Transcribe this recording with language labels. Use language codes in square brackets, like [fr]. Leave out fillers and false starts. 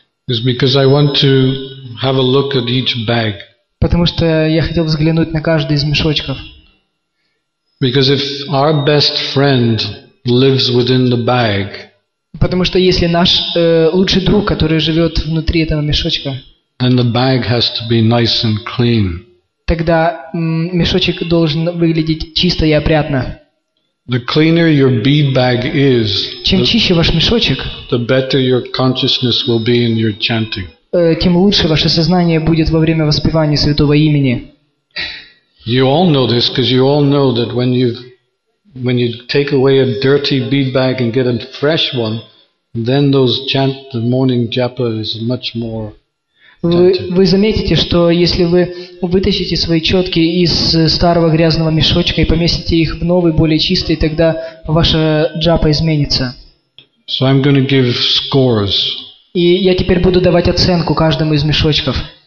[en] Is because I want to have a look at each bag. [ru] Потому что я хотел взглянуть на каждый из мешочков. [en] Because if our best friend lives within the bag. [ru] Потому что если наш лучший друг, который живёт внутри этого мешочка. [en] Then the bag has to be nice and clean. [ru] Тогда мешочек должен выглядеть чисто и опрятно. [en] The cleaner your bead bag is, [ru] чем чище ваш мешочек, [en] the better your consciousness will be in your chanting. [ru] Тем лучше ваше сознание будет во время воспевания святого имени. [en] You all know this because you all know that when you take away a dirty bead bag and get a fresh one, then those chant the morning japa is much more. [ru] Вы заметите, что если вы вытащите свои чётки из старого грязного мешочка и поместите их в новый, более чистый, тогда ваша джапа изменится. [en] So I'm going to give scores. [ru] И я теперь буду давать оценку каждому из мешочков.